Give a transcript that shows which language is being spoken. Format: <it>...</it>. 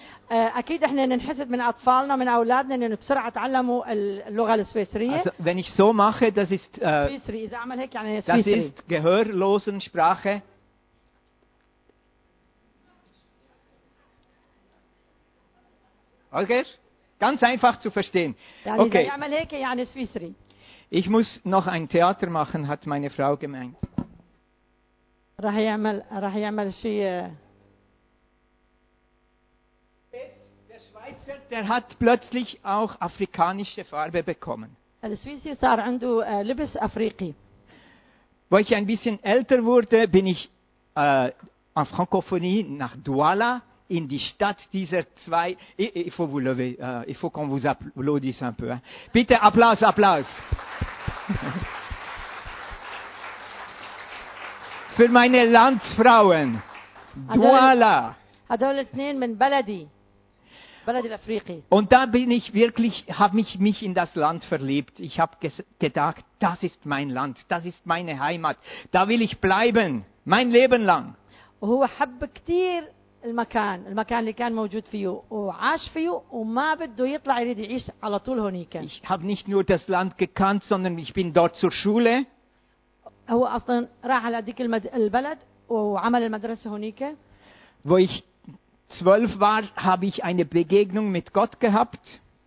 <ar>أكيد إحنا ننحسد من أطفالنا من أولادنا إنه بسرعة تعلموا اللغة السويسرية.</ar> <de>Wenn ich so mache, das ist</de> <ar>سويسري. إذا أعمل هيك يعني سويسري.</ar> <de>Das ist gehörlosen Sprache. Okay? Ganz einfach zu verstehen.</de> <ar>يعني okay. إذا أعمل هيك يعني سويسري.</ar> <de>Ich muss noch ein Theater machen, hat meine Frau gemeint.</de> <ar>رح يعمل شيء.</ar> <de>Der hat plötzlich auch afrikanische Farbe bekommen. Wo ich ein bisschen älter wurde, bin ich</de> <fr>en francophonie</fr> <de>nach Douala in die Stadt dieser zwei.</de> <fr>Il faut qu'on vous applaudisse un peu. Hein.</fr> <de>Bitte Applaus, Applaus. Für meine Landsfrauen. Douala.</de> <ar>هذول اثنين من بلدي.</ar> <de>Und da bin ich wirklich, habe mich in das Land verliebt. Ich habe gedacht, das ist mein Land, das ist meine Heimat. Da will ich bleiben, mein Leben lang.</de> <ar>هو حب كتير المكان اللي كان موجود فيه وعاش فيه وما بده يطلع يريد يعيش على طول هناك.</ar> <de>Ich habe nicht nur das Land gekannt, sondern ich bin dort zur Schule.</de> <ar>هو أصلا راح على ديك البلد وعمل المدرسة هناك.</ar> <de>Wo ich 12 war, habe ich eine Begegnung mit Gott gehabt.</de>